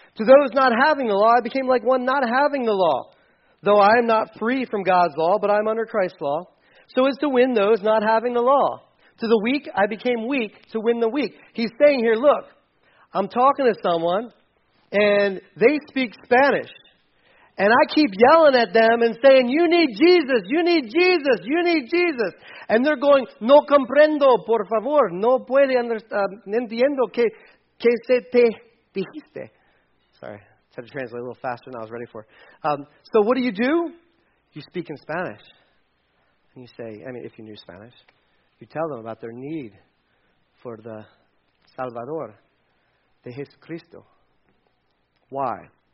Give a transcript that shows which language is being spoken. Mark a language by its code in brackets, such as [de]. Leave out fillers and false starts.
[en] To those not having the law, I became like one not having the law, though I am not free from God's law, but I'm under Christ's law, so as to win those not having the law. To the weak, I became weak to win the weak. He's saying here, look, I'm talking to someone, and they speak Spanish. And I keep yelling at them and saying, you need Jesus, you need Jesus, you need Jesus. And they're going, [es] no comprendo, por favor, no puede entiendo que se te dijiste. [en] Sorry, I had to translate a little faster than I was ready for. So what do? You speak in Spanish. And you say, I mean, if you knew Spanish, you tell them about their need for the Salvador, de Jesucristo. Why?